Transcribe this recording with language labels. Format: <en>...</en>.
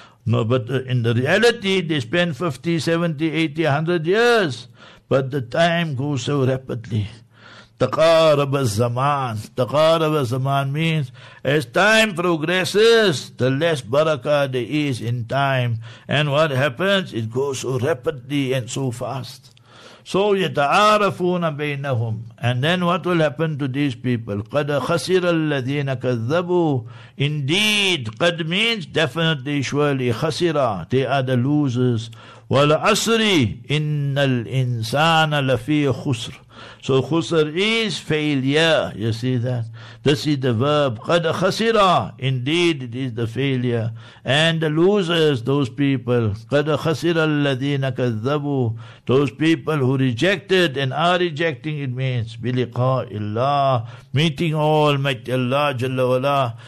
<en>No, but in the reality, they spent 50, 70, 80, 100 years. But the time goes so rapidly.</en> <ar>تقارب الزمان. تقارب الزمان</ar> <en>means as time progresses, the less barakah there is in time. And what happens? It goes so rapidly and so fast.</en> <ar>So يتعارفون بينهم.</ar> <en>And then what will happen to these people?</en> <ar>قد خسر الذين كذبوا.</ar> <en>Indeed, قد means definitely, surely, خسر. They are the losers.</en> <ar>والعصر إن الإنسان لفي خسر.</ar> <en>So khusr is failure, you see that? This is the verb,</en> <ar>qad khasira,</ar> <en>indeed it is the failure. And the losers, those people,</en> <ar>qad khasira alladhina kazzabu,</ar> <en>those people who rejected and are rejecting, it means, biliqa'illah, meeting Almighty Allah Jalla wala.</en>